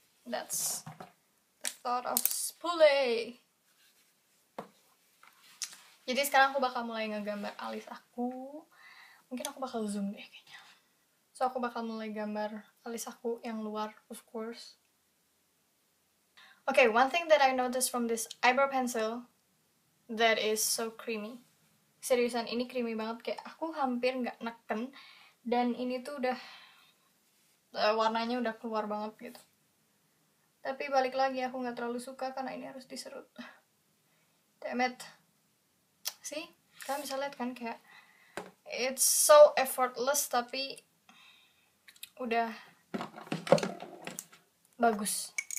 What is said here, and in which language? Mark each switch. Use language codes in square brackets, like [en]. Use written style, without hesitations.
[en] That's the thought of spoolie. [id] Jadi sekarang aku bakal mulai ngegambar alis aku. Mungkin aku bakal zoom deh kayaknya. So aku bakal mulai gambar alis aku yang luar, of course. [en] Okay, one thing that I noticed from this eyebrow pencil that is so creamy. [id] Seriusan, ini creamy banget, kayak aku hampir nggak neken, dan ini tuh udah warnanya udah keluar banget gitu. Tapi balik lagi, aku nggak terlalu suka karena ini harus diserut. [en] Damn it. See? [id] Kalian bisa lihat kan, kayak [en] it's so effortless, [id] tapi udah bagus.